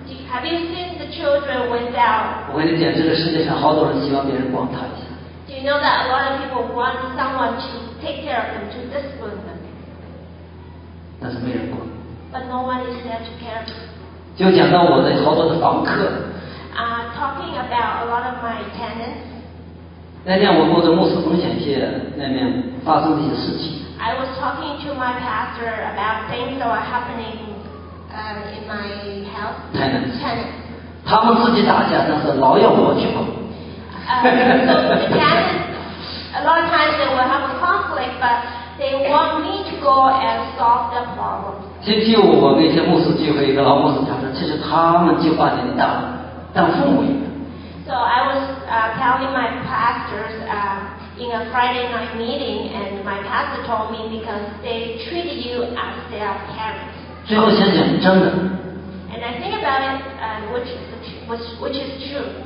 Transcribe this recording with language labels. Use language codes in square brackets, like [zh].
[en] ？Have you seen the children without？ [zh] 我跟你讲，这个世界上好多人希望别人管他一下。 [en] Do you know that a lot of people want someone to take care of them, to discipline them？ [zh] 但是没人管。 [en] But no one is there to care for them。 [zh] 就讲到我的好多的房客。 [en] Talking about a lot of my tenants。 [zh] 那天我跟着牧师分享一些那边发生的一些事情。 [en] I was talking to my pastor about things that were happening。 In my house, tenants. [zh] 他们自己打架，但是老要我去管。 [en] So the tenants, a lot of times they will have a conflict, but they want me to go and solve the problem. [zh] 星期五我那些牧师聚会，一个老牧师讲说，其实他们就把你当父母一样。 [en] So I was telling my pastors in a Friday night meeting, and my pastor told me because they treat you as their parents. [zh] 最后想想，真的。 [en] And I think about it, which is true.